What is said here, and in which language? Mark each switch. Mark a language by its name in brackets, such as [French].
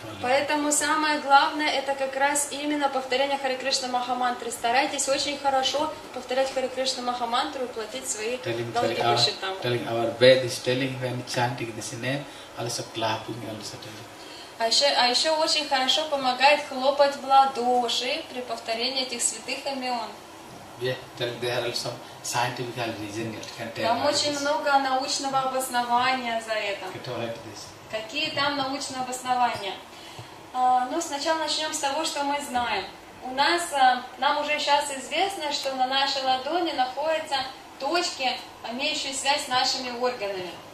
[Russian] Поэтому самое главное, это как раз именно повторение Хари Кришна Маха Мантры. Старайтесь очень хорошо повторять Хари Кришна Маха Мантру и платить свои долги по счетам. [English] Telling our Ved is telling when chanting this name, also clapping, also telling. [Russian] А еще очень хорошо помогает хлопать в ладоши при повторении этих святых имен. [English] there are some scientific reasons it can tell. [Russian] Там очень много научного обоснования за это. Какие там научные обоснования? Ну, сначала начнем с того, что мы знаем. У нас, нам уже сейчас известно, что на нашей ладони находятся точки, имеющие связь с нашими органами.